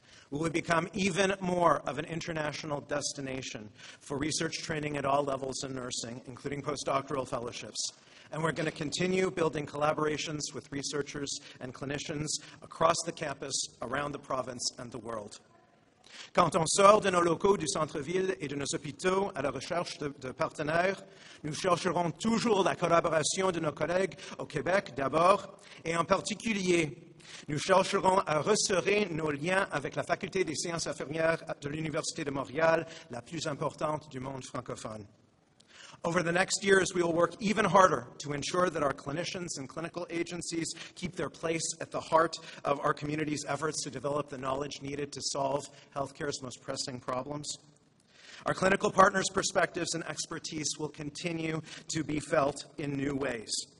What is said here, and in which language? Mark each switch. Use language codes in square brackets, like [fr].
[en] We would become even more of an international destination for research training at all levels in nursing, including postdoctoral fellowships. And we're going to continue building collaborations with researchers and clinicians across the campus, around the province, and the world. [fr] Quand on sort de nos locaux du centre-ville et de nos hôpitaux à la recherche de partenaires, nous chercherons toujours la collaboration de nos collègues au Québec d'abord, et en particulier, nous chercherons à resserrer nos liens avec la Faculté des sciences infirmières de l'Université de Montréal, la plus importante du monde francophone. [en] Over the next years, we will work even harder to ensure that our clinicians and clinical agencies keep their place at the heart of our community's efforts to develop the knowledge needed to solve healthcare's most pressing problems. Our clinical partners' perspectives and expertise will continue to be felt in new ways.